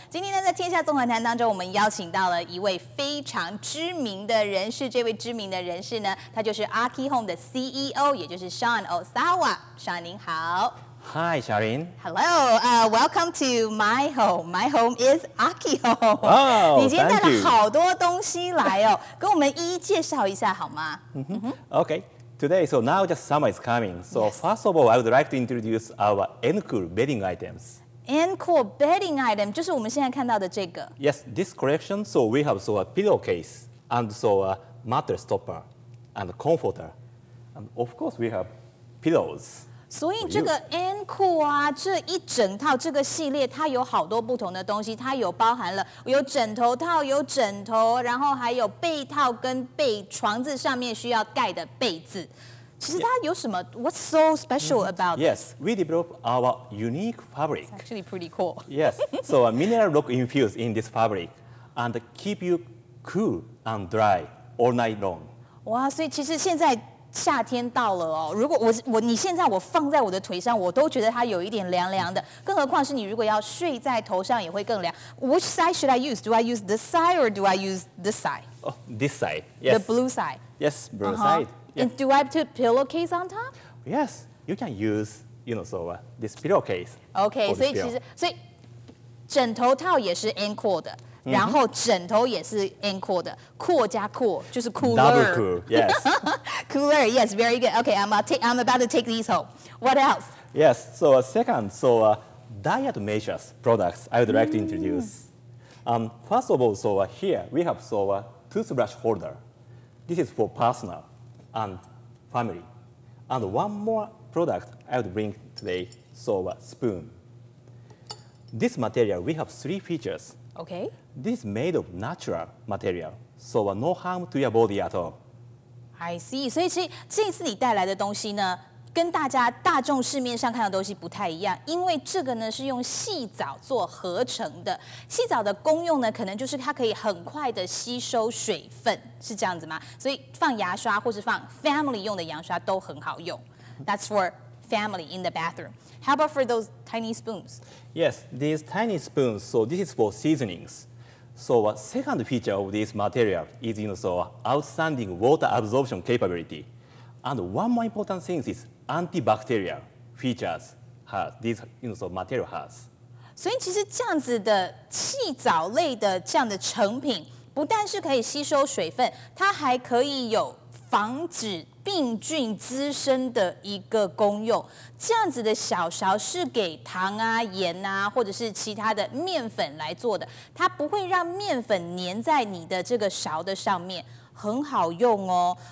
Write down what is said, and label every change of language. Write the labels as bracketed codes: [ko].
[zh] 今天呢，在天下纵横谈当中，我们邀请到了一位非常知名的人士，这位知名的人士呢，他就是 Aki Home 的 CEO， 也就是 Sean Osawa。 Sean 您好。 [en] Hi, Sharin. Hello. Welcome to my home. My home is Aki Home. Oh, thank you. [zh] 你今天带了好多东西来哦，跟我们一一介绍一下好吗？ [en] Okay. Today, so now just summer is coming. So yes. First of all, I would like to introduce our N-Cool bedding items. [zh] N-Cool [en] bedding item, [zh] 就是我们现在看到的这个。 [en] Yes, this collection, so we have so a pillowcase, and so a mattress topper, and a comforter. And of course, we have pillows. [zh] 所以这个 N-Cool 啊，这一整套这个系列，它有好多不同的东西，它有包含了有枕头套，有枕头，然后还有被套跟被床子上面需要盖的被子。其实它有什么、 [en] yeah. ？What's so special about this? Yes, we develop our unique fabric. It's actually pretty cool. Yes, so a mineral rock infused in this fabric, and keep you cool and dry all night long. [zh] 哇，所以其实现在。夏天到了哦，如果你现在我放在我的腿上，我都觉得它有一点凉凉的，更何况是你如果要睡在头上也会更凉。 [en] Which side should I use? Do I use this side or do I use this side? Oh, this side. Yes. The blue side. Yes, blue side. Yeah. And do I put pillowcase on top? Yes, you can use, you know, so this pillowcase. [zh] Okay, 所以其实所以枕头套也是 N-Cool 的。Mm-hmm. 然后枕头也是 N-Cool 的 ，cool 加 cool 就是 [en] cooler。 Double cool, yes. cooler, yes, very good. Okay, I'm about to take these home. What else? Yes. So a second, so a diet measures products I would like to introduce. First of all, so here we have so a toothbrush holder. This is for personal and family. And one more product I would bring today, so a spoon. This material we have three features. Okay. This is made of natural material, so no harm to your body at all. I see. [zh] 所以其实这次你带来的东西呢，跟大家大众市面上看到的东西不太一样，因为这个呢是用细藻做合成的。细藻的功用呢，可能就是它可以很快的吸收水分，是这样子吗？所以放牙刷或是放 [en] family [zh] 用的牙刷都很好用。 [en] That's for family in the bathroom. How about for those tiny spoons? Yes, these tiny spoons. So this is for seasonings. So a second feature of this material is, you know, so outstanding water absorption capability. And one more important thing is antibacterial features has, this, you know, so material has. [zh] 所以其实这样子的细藻类的这样的成品不但是可以吸收水分，它还可以有防止病菌滋生的一个功用。这样子的小勺是给糖啊、盐啊，或者是其他的面粉来做的，它不会让面粉粘在你的这个勺的上面，很好用哦。